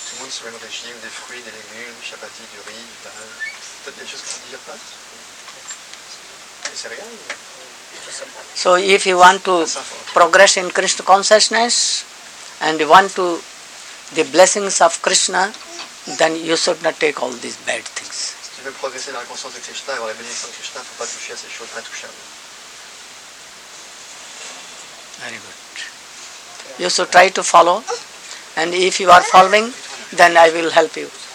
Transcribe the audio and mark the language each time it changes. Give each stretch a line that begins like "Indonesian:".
French: Sur un régime des fruits, des légumes, du chapati, du riz, du pain. Peut-être des choses qu'on ne digère pas. Des céréales.
English: So if you want to progress in Krishna consciousness and you want to the blessings of Krishna, then you should not take all these bad things.
French: Si tu veux progresser dans la conscience de Krishna, avoir la bénédiction de Krishna, il ne faut pas toucher à ces choses intouchables.
English: Very good. You should try to follow and if you are following, then I will help you.